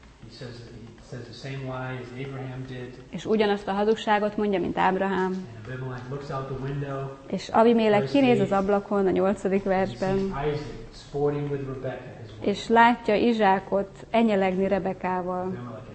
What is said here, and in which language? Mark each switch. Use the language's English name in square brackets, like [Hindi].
[English] He says the same lie as Abraham did. [Hungarian] És ugyanazt a hazugságot mondja, mint Ábrahám. [English] And Abimelech looks out the window. [Hungarian] És Abimelech kinéz az ablakon a 8. versben. [English] Isaac sporting with Rebecca, his wife. [Hungarian] És látja Izsákot enyelegni Rebekával.